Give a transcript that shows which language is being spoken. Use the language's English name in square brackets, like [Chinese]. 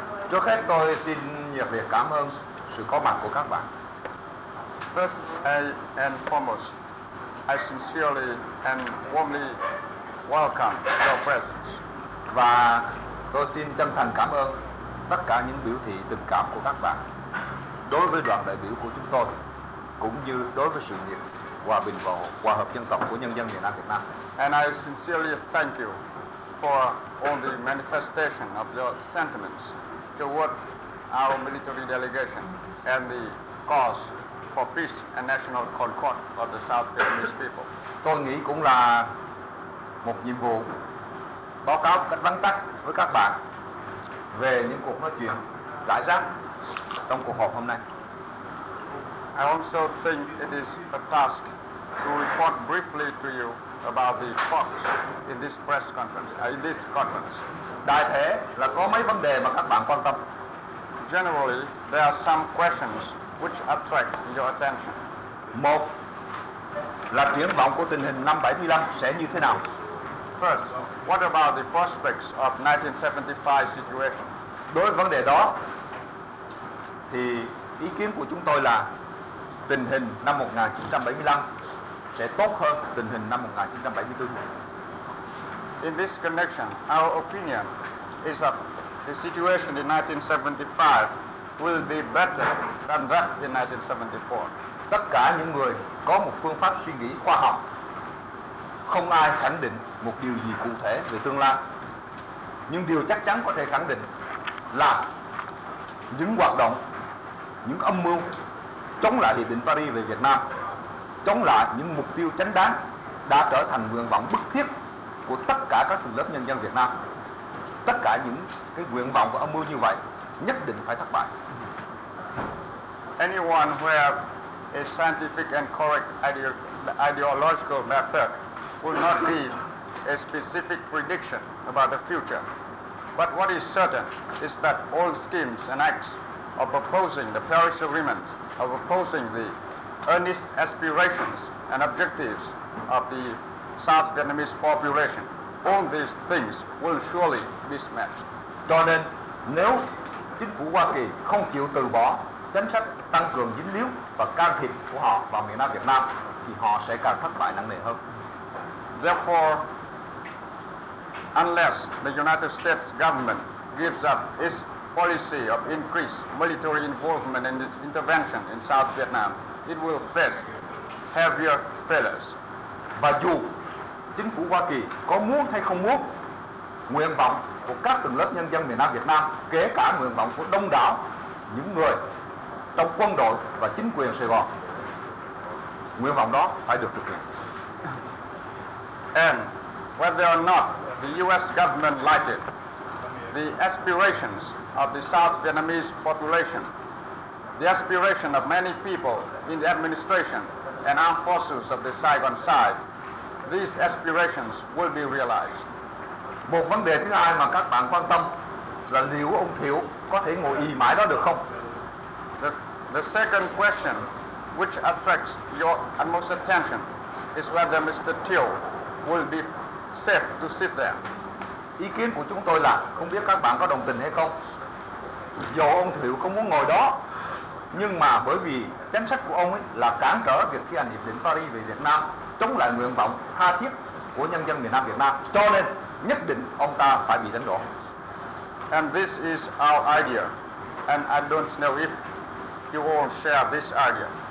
[Vietnamese] Trước hết tôi xin nhiệt liệt cảm ơn sự có mặt của các bạn. [English] First and foremost, I sincerely and warmly welcome your presence. [Vietnamese] Và tôi xin chân thành cảm ơn tất cả những biểu thị tình cảm của các bạn đối với đoàn đại biểu của chúng tôi, cũng như đối với sự nghiệp hòa bình và hòa hợp dân tộc của nhân dân miền Nam Việt Nam. [English] And I sincerely thank you for all the manifestation of your sentiments toward our military delegation and the cause for peace and national concord of the South Vietnamese people. [Vietnamese] Tôi nghĩ cũng là một nhiệm vụ báo cáo một cách vắn tắt với các bạn về những cuộc nói chuyện rải rác trong cuộc họp hôm nay. [English] I also think it is a task to report briefly to you about the talks in this press conference, in this conference. [Vietnamese] Đại thể là có mấy vấn đề mà các bạn quan tâm. [English] Generally, there are some questions which attract your attention. [Vietnamese] Một là triển vọng của tình hình năm 75 sẽ như thế nào. [English] First, what about the prospects of 1975 situation? [Vietnamese] Đối với vấn đề đó, thì ý kiến của chúng tôi là tình hình năm 1975 sẽ sẽ tốt hơn tình hình năm 1974. [English] In this connection, our opinion is that the situation in 1975 will be better than that in 1974. [Vietnamese] Tất cả những người có một phương pháp suy nghĩ khoa học, không ai khẳng định một điều gì cụ thể về tương lai. Nhưng điều chắc chắn có thể khẳng định là những hoạt động, những âm mưu chống lại Hiệp định Paris về Việt Nam, chống lại những mục tiêu chánh đáng đã trở thành nguyện vọng bức thiết của tất cả các tầng lớp nhân dân Việt Nam. Tất cả những cái nguyện vọng và âm mưu như vậy nhất định phải thất bại. [English] Anyone who have a scientific and correct ideological method will not give a specific prediction about the future. But what is certain is that all schemes and acts of opposing the Paris Agreement, of opposing the earnest aspirations and objectives of the South Vietnamese population, all these things will surely mismatch. [Vietnamese] Cho nên, nếu chính phủ Hoa Kỳ không chịu từ bỏ chính sách tăng cường dính líu và can thiệp của họ vào miền Nam Việt Nam, thì họ sẽ càng thất bại nặng nề hơn. [English] Therefore, unless the United States government gives up its policy of increased military involvement and intervention in South Vietnam, it will face heavier failures. [Vietnamese] Và dù chính phủ Hoa Kỳ có muốn hay không muốn, nguyện vọng của các tầng lớp nhân dân miền Nam Việt Nam, kể cả nguyện vọng của đông đảo những người trong quân đội và chính quyền Sài Gòn, nguyện vọng đó phải được thực hiện. [English] And whether or not the U.S. government likes it, the aspirations of the South Vietnamese population, the aspiration of many people in the administration and armed forces of the Saigon side, these aspirations will be realized. [Vietnamese] Một vấn đề thứ hai mà các bạn quan tâm là liệu ông Thiệu có thể ngồi ì mãi đó được không? [English] The second question, which attracts your utmost attention, is whether Mr. Thiệu will be safe to sit there. [Vietnamese] Ý kiến của chúng tôi là không biết các bạn có đồng tình hay không. Dù ông Thiệu không muốn ngồi đó, nhưng mà bởi vì chính sách của ông ấy là cản trở việc thi hành Hiệp định Paris về Việt Nam, chống lại nguyện vọng tha thiết của nhân dân miền Nam Việt Nam, cho nên nhất định ông ta phải bị đánh đổi. [English] And this is our idea, and I don't know if you all share this idea.